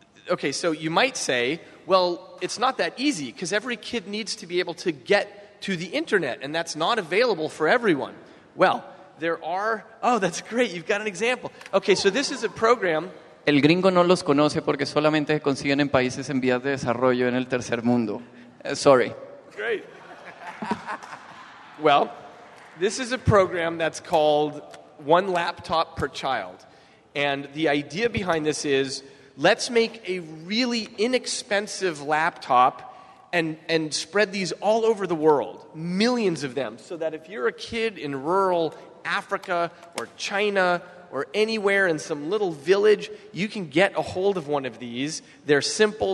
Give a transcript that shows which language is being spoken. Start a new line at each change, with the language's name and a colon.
English: Okay, so you might say, well, it's not that easy because every kid needs to be able to get to the internet and that's not available for everyone. Well, there are... Oh, that's great. You've got an example. Okay, so this is a program...
Spanish: El gringo no los conoce porque solamente consiguen en países en vías de desarrollo en el tercer mundo.
English: Sorry. Great. Well, this is a program that's called One Laptop Per Child. And the idea behind this is, let's make a really inexpensive laptop and spread these all over the world, millions of them, so that if you're a kid in rural Africa or China or anywhere in some little village, you can get a hold of one of these. They're simple.